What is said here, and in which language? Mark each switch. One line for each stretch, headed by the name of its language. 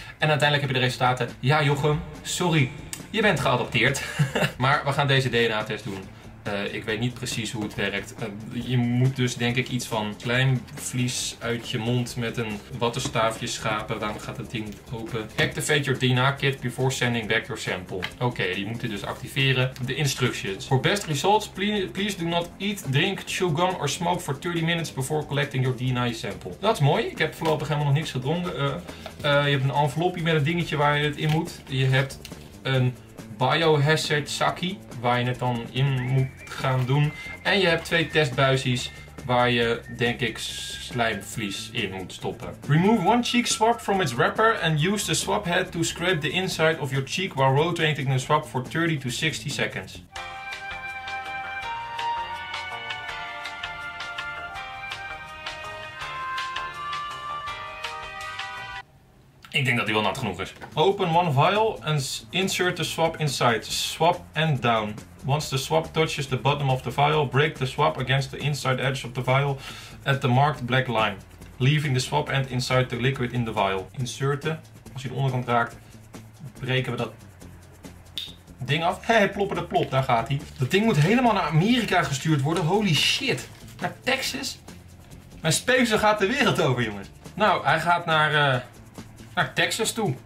Dutch: En uiteindelijk heb je de resultaten. Ja Jochem, sorry, je bent geadopteerd. Maar we gaan deze DNA-test doen. Ik weet niet precies hoe het werkt. Je moet dus denk ik iets van klein vlies uit je mond met een wattenstaafje schapen. Waarom gaat dat ding open?
English: Activate your DNA kit before sending back your sample.
Dutch: Oké, je moet dit dus activeren. De instructies.
English: For best results, please do not eat, drink, chew gum or smoke for 30 minutes before collecting your DNA sample.
Dutch: Dat is mooi. Ik heb voorlopig helemaal nog niks gedronken. Je hebt een envelopje met een dingetje waar je het in moet. Je hebt een biohazard zakkie, waar je het dan in moet gaan doen. En je hebt 2 testbuisjes waar je, denk ik, slijmvlies in moet stoppen.
English: Remove one cheek swab from its wrapper and use the swab head to scrape the inside of your cheek while rotating the swab for 30 to 60 seconds.
Dutch: Ik denk dat hij wel nat genoeg is.
English: Open one vial and insert the swab inside. Swab and down. Once the swab touches the bottom of the vial, break the swab against the inside edge of the vial at the marked black line. Leaving the swab end inside the liquid in the vial. Inserten.
Dutch: Als hij de onderkant raakt, breken we dat ding af. Hé, ploppen de plop, daar gaat hij. Dat ding moet helemaal naar Amerika gestuurd worden.
English: Holy shit.
Dutch: Naar Texas? Mijn speekse gaat de wereld over, jongens. Nou, hij gaat naar naar Texas toe.